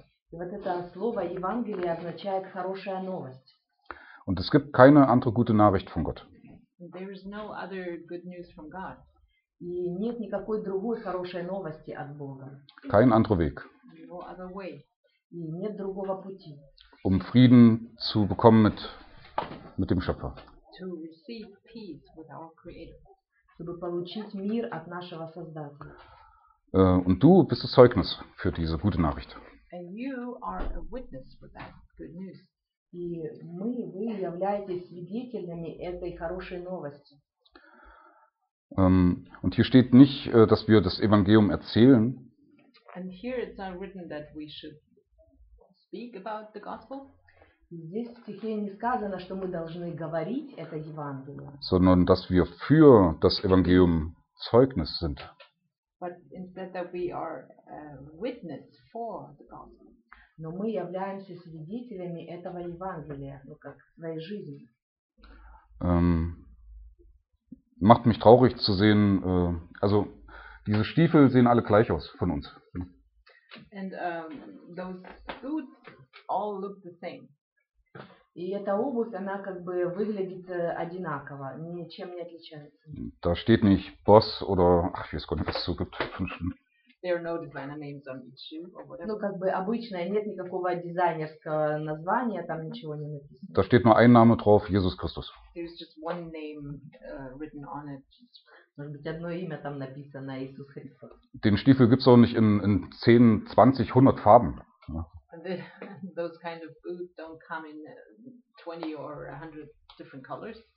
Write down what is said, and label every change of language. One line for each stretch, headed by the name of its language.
Russian: И вот это слово Евангелие означает хорошая новость.
German: Und es gibt keine andere gute Nachricht von Gott.
English: There is no other good news from God.
Russian: И нет никакой другой хорошей новости от Бога.
German: Kein anderer Weg.
English: No other way.
Russian: И нет другого пути.
German: Um Frieden zu bekommen mit dem Schöpfer.
English: To receive peace with our Creator.
Russian: Чтобы получить мир от нашего Создателя.
German: Und du bist das Zeugnis für diese gute Nachricht.
English: And you are a witness for that good news.
Russian: И вы являетесь свидетелями этой хорошей новости.
German: Und hier steht nicht, dass wir das Evangelium erzählen.
English: And here it's not written that we should speak about the gospel.
Russian: Здесь в стихе не сказано, что мы должны говорить это Евангелие.
German: Sondern dass wir für das Evangelium Zeugnis sind.
English: But instead that we are a witness for the gospel.
Russian: Но мы являемся свидетелями этого Евангелия, ну как своей жизни.
German: Macht mich traurig zu sehen, also diese Stiefel sehen alle gleich aus von uns.
English: And those boots all look the same.
Russian: И эта обувь, она как бы выглядит одинаково, ничем не отличается.
German: Da steht nicht Boss oder, ach, ich weiß gar nicht, was es so gibt.
English: There are no designer names on each shoe or whatever.
Russian: Ну, как бы обычно, нет никакого дизайнерского названия, там ничего не написано.
German: Da steht nur ein Name drauf, Jesus Christus.
English: There is just one name written on it.
Russian: Может быть, одно имя там написано, Иисус Христос.
German: Den Stiefel gibt's auch nicht in 10, 20, 100 Farben.
English: Those kind of boots don't come in 20 or 100 different colors.